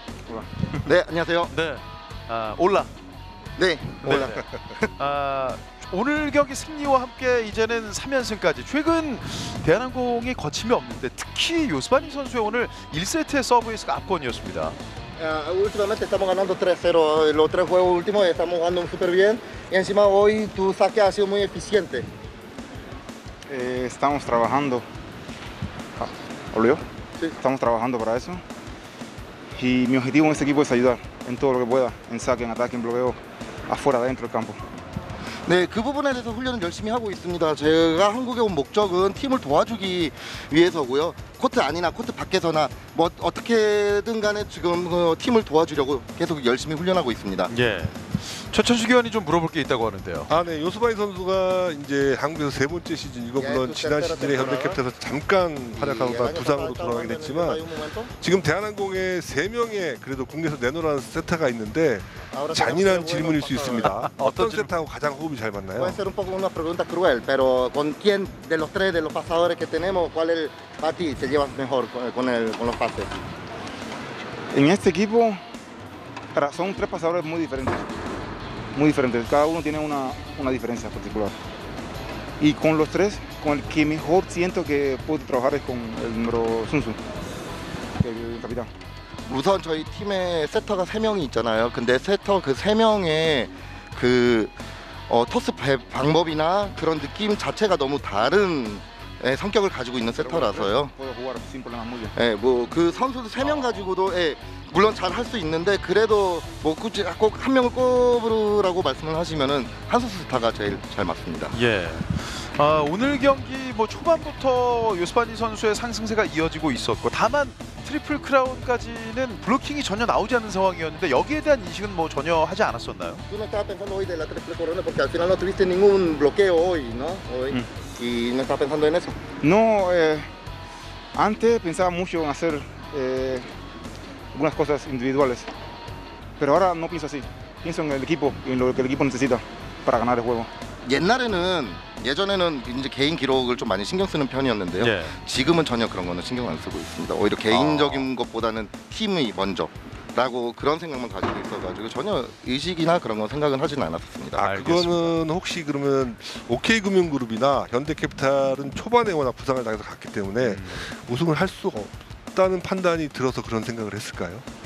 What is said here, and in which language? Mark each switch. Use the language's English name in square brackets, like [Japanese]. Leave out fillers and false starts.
[Korean] 올라. 네, 안녕하세요. 네. 올라. 네. 올라. 오늘 경기 승리와 함께 이제는 3연승까지. 최근 대한항공이 거침이 없는데 특히 요스바니 선수의 오늘 1세트의 서브에서 압권이었습니다. [Spanish] Últimamente estamos ganando 3-0 los tres juegos últimos estamos jugando super bien y encima hoy tu saque ha sido muy eficiente. Estamos trabajando. ¿Olio? Estamos trabajando para eso y mi objetivo en este equipo es ayudar en todo lo que pueda, en saque, en ataque, en bloqueo, afuera, dentro del campo. [Korean] 네, 그 부분에 대해서 훈련을 열심히 하고 있습니다. 제가 한국에 온 목적은 팀을 도와주기 위해서고요. 코트 안이나 코트 밖에서나 뭐 어떻게든 간에 지금 팀을 도와주려고 계속 열심히 훈련하고 있습니다. 예. 최천식 위원이 좀 물어볼 게 있다고 하는데요. 아, 네. 요스바니 선수가 이제 한국에서 세 번째 시즌, 이거 물론 지난 시즌에 현대 캡에서 잠깐 활약하다가 부상으로 돌아가게 됐지만 지금 대한항공에 세 명의 그래도 국내에서 내놓으라는 세타가 있는데 잔인한 질문일 수 있습니다. 어떤 세타하고 가장 호흡이 잘 맞나요? [Spanish] Puede ser un poco una pregunta cruel, pero con quién de los tres de los pasadores que tenemos, cuál es para ti te llevas mejor con el con los pases? En este equipo son tres pasadores muy diferentes. Muy diferentes, cada uno tiene una diferencia particular. Y con los tres, con el que mejor siento que puedo trabajar es con el número Sun Sun, el capitán. [Korean] 우선 저희 팀에 세터가 3명이 있잖아요. 근데 세터 그 3명의 그 토스 방법이나 그런 느낌 자체가 너무 다른 성격을 가지고 있는 세터라서요. 예, 뭐 그 선수도 3명 가지고도 예, 물론 잘 할 수 있는데 그래도 뭐 굳이 꼭 한 명을 꼽으라고 말씀을 하시면은 한 선수 세타가 제일 잘 맞습니다. 예. 아, 오늘 경기 뭐 초반부터 요스바니 선수의 상승세가 이어지고 있었고 다만 트리플 크라운까지는 블로킹이 전혀 나오지 않는 상황이었는데 여기에 대한 인식은 뭐 전혀 하지 않았었나요? [Spanish] 그 no estaba pensando hoy de la triple corona porque al final no tuviste ningún bloqueo hoy, ¿no? Hoy. y no está pensando en eso. No, antes pensaba mucho en hacer algunas cosas individuales, pero ahora no pienso así. Pienso en el equipo y en lo que el equipo necesita para ganar el juego. [Korean] 옛날에는 예전에는 이제 개인 기록을 좀 많이 신경 쓰는 편이었는데요. 예. 지금은 전혀 그런 거는 신경 안 쓰고 있습니다. 오히려 개인적인 것보다는 팀이 먼저. 라고 그런 생각만 가지고 있어가지고 전혀 의식이나 그런 건 생각은 하진 않았습니다. 아, 그거는 혹시 그러면 OK 금융그룹이나 현대캐피탈은 초반에 워낙 부상을 당해서 갔기 때문에 우승을 할 수 없다는 판단이 들어서 그런 생각을 했을까요?